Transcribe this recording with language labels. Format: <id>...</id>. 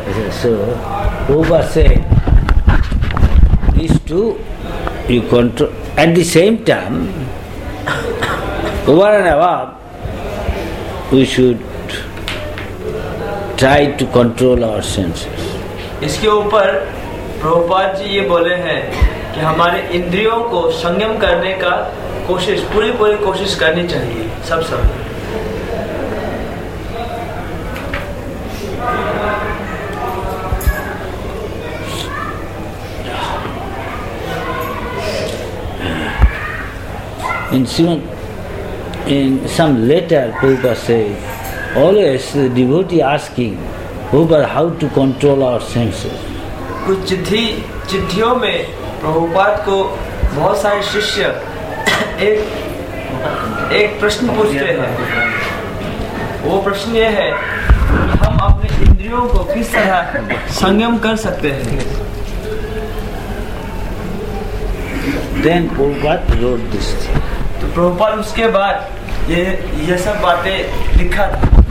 <en>So, Uba said, these two you control. At the same time, over and above, we should try to control our senses.</en> <hi>इसके ऊपर प्रभुपाद जी ये बोले हैं कि हमारे इंद्रियों को संयम करने का कोशिश, पूरी पूरी कोशिश करनी चाहिए सब समय।</hi> <en>In some letter, Prabhupada says, always the devotee asking, Prabhupada, how to control our senses.</en> <hi>कुछ चिट्ठी, चिट्ठियों में प्रभुपाद को बहुत सारे शिष्य एक एक प्रश्न पूछते हैं। वो प्रश्न ये है, हम अपने इंद्रियों को किस तरह संयम कर सकते हैं?</hi> <en>Then Prabhupada wrote this thing.</en> <hi>Prabhupada उसके बाद ये सब बातें लिखा था।</hi>